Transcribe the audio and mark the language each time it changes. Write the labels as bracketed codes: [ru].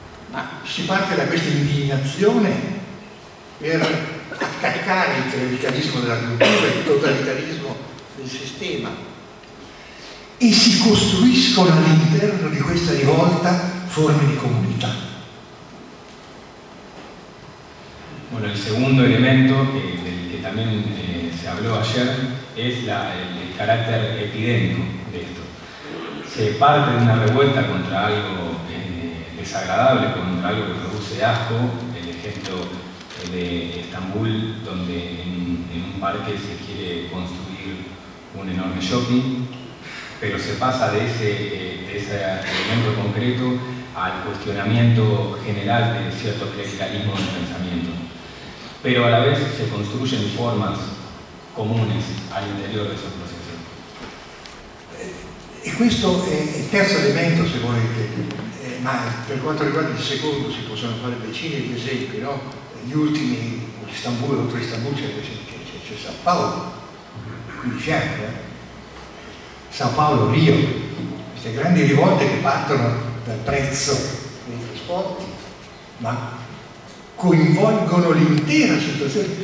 [it] Ma si parte da questa indignazione per attaccare il clericalismo della cultura, il totalitarismo del sistema, e si costruiscono all'interno di questa rivolta forme di comunità. [es] Bueno, el segundo elemento del que también se habló ayer es el carácter epidémico de esto. Se parte de una revuelta contra algo desagradable, contra algo que produce asco, el ejemplo de Estambul, donde en un parque se quiere construir un enorme shopping, pero se pasa de ese elemento concreto al cuestionamiento general de cierto clericalismo de pensamiento. Pero a la vez se construyen formas comunes al interior de esos procesos. Y esto es el tercer elemento, [it] se vuoi, ma per quanto riguarda il secondo, si possono fare decine di esempi, no? Gli ultimi, Istanbul, oltre Istanbul, c'è San Paolo, qui di fianco, San Paolo, Rio, queste grandi rivolte che partono dal prezzo dei trasporti, ma coinvolgono l'intera situazione.